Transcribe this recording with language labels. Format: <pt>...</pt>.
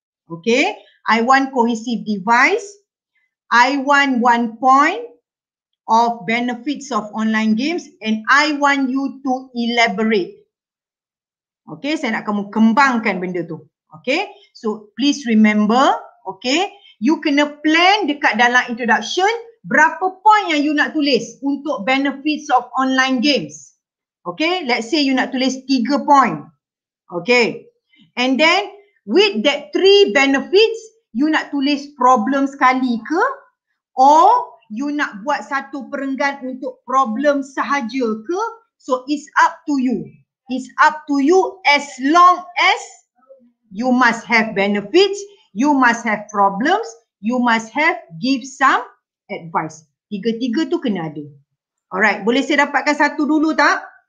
<en>Okay, I want cohesive device. I want 1 point of benefits of online games and I want you to elaborate.</en> <ms>Okay, saya nak kamu kembangkan benda tu.</ms> <en>Okay, so please remember, okay, you</en> <ms>kena</ms> <en>plan</en> <ms>dekat dalam</ms> <en>introduction</en> <ms>berapa</ms> <en>point</en> <ms>yang</ms> <en>you</en> <ms>nak tulis untuk</ms> <en>benefits of online games. Okay, let's say you</en> <ms>nak tulis</ms> <en>3 point. Okay, and then with that 3 benefits, you</en> <ms>nak tulis</ms> <en>problem</en> <ms>sekali ke?</ms> <en>Or you</en> <ms>nak buat satu perenggan untuk problem sahaja ke?</ms> <en>So it's up to you. It's up to you as long as you must have benefits, you must have problems, you must have give some advice.</en> <ms>3 tu kena ada. Alright, boleh saya dapatkan 1 dulu tak?</ms>